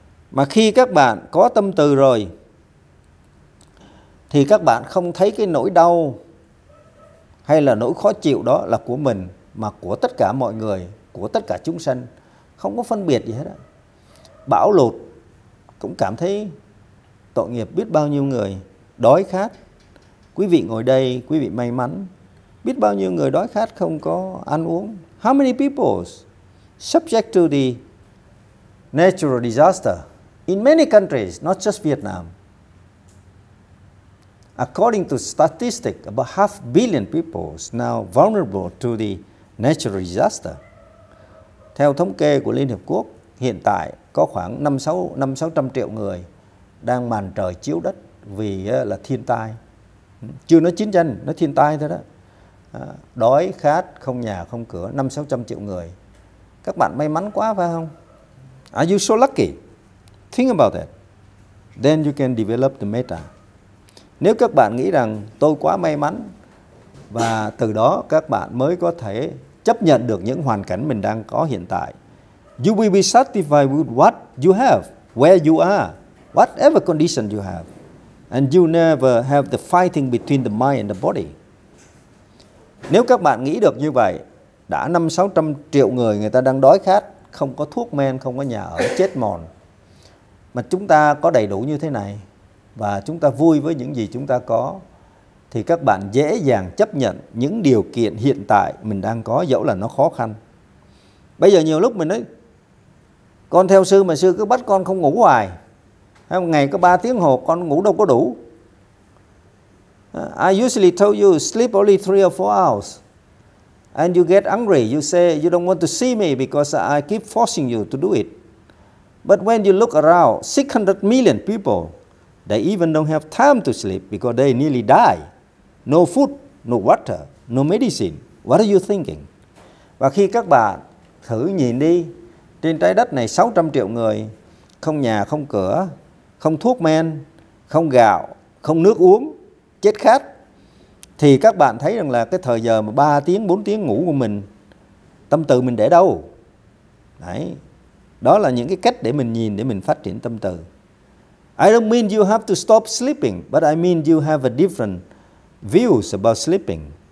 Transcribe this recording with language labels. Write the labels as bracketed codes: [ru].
[vi] Mà khi các bạn có tâm từ rồi thì các bạn không thấy cái nỗi đau hay là nỗi khó chịu đó là của mình, mà của tất cả mọi người, của tất cả chúng sanh, không có phân biệt gì hết á. Bão lụt cũng cảm thấy tội nghiệp biết bao nhiêu người đói khát. Quý vị ngồi đây, quý vị may mắn, biết bao nhiêu người đói khát không có ăn uống. [en] How many people subject to the natural disaster in many countries, not just Vietnam? According to statistic, about 500 million people is now vulnerable to the natural disaster. [vi] Theo thống kê của Liên Hiệp Quốc, hiện tại có khoảng 500-600 triệu người đang màn trời chiếu đất vì là thiên tai. Chưa nói chiến tranh, nói thiên tai thôi đó. Đói, khát, không nhà, không cửa, 500-600 triệu người. Các bạn may mắn quá phải không? [en] Are you so lucky? Think about it. Then you can develop the meta. [vi] Nếu các bạn nghĩ rằng tôi quá may mắn và từ đó các bạn mới có thể chấp nhận được những hoàn cảnh mình đang có hiện tại. [en] You will be satisfied with what you have, where you are, whatever condition you have. And you never have the fighting between the mind and the body. [vi] Nếu các bạn nghĩ được như vậy, đã 500-600 triệu người, người ta đang đói khát, không có thuốc men, không có nhà ở, chết mòn. Mà chúng ta có đầy đủ như thế này, và chúng ta vui với những gì chúng ta có, thì các bạn dễ dàng chấp nhận những điều kiện hiện tại mình đang có, dẫu là nó khó khăn. Bây giờ nhiều lúc mình nói, con theo sư mà sư cứ bắt con không ngủ hoài. Hay một ngày có 3 tiếng hồ, con ngủ đâu có đủ. [en] I usually told you, sleep only 3 or 4 hours. And you get angry, you say, you don't want to see me because I keep forcing you to do it. But when you look around, 600 million people, they even don't have time to sleep because they nearly die. No food, no water, no medicine. What are you thinking? [vi] Và khi các bạn thử nhìn đi, trên trái đất này 600 triệu người, không nhà, không cửa, không thuốc men, không gạo, không nước uống, chết khát. Thì các bạn thấy rằng là cái thời giờ mà 3 tiếng, 4 tiếng ngủ của mình, tâm từ mình để đâu? Đấy. Đó là những cái cách để mình nhìn, để mình phát triển tâm từ. [en] I don't mean you have to stop sleeping, but I mean you have a different views about sleeping.